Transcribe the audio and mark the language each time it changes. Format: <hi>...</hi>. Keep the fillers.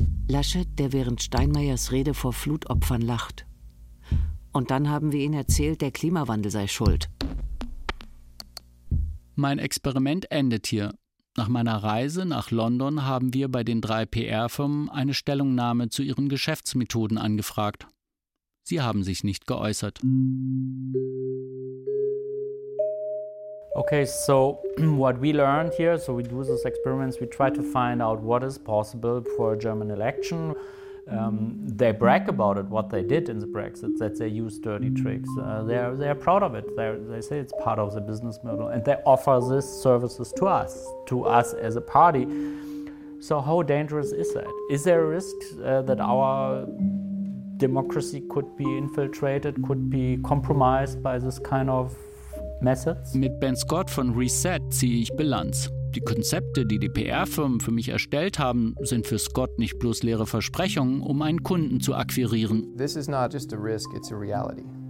<de>Laschet, der während Steinmeiers Rede vor Flutopfern lacht. Und dann haben wir ihn erzählt, der Klimawandel sei schuld. Mein Experiment endet hier. Nach meiner Reise nach London haben wir bei den drei PR-Firmen eine Stellungnahme zu ihren Geschäftsmethoden angefragt.</de> <en>Okay, so what we learned here, so we do this experiments, we try to find out what is possible for a German election. Um, they brag about it, what they did in the Brexit, that they used dirty tricks. Uh, they, are, they are proud of it. They, they say it's part of the business model and they offer these services to us, to us as a party. So, how dangerous is that? Is there a risk uh, that our democracy could be infiltrated, could be compromised by this kind of methods.</en> <de>Mit Ben Scott von Reset ziehe ich Bilanz. Die Konzepte, die die PR-Firmen für mich erstellt haben, sind für Scott nicht bloß leere Versprechungen, um einen Kunden zu akquirieren.</de> <en>This is not just a risk, it's a reality.</en>